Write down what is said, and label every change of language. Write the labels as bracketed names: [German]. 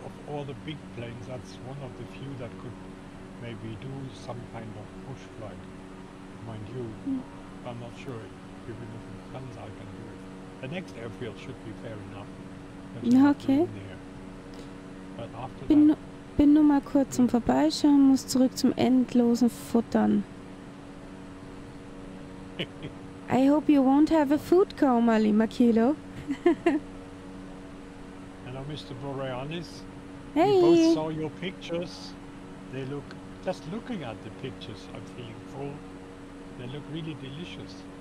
[English] All the big planes, that's one of the few that could maybe do some kind of push flight. Mind you, I'm not sure if even the Transal can do it. The next airfield should be fair enough. Okay. There. But after [German] bin nur mal kurz zum Vorbeischauen, muss zurück zum endlosen Futtern. [English] I hope you won't have a food coma, Limakilo. Hello, Mr. Boreanaz. Hey. We both saw your pictures. They look, just looking at the pictures, I'm feeling full. They look really delicious.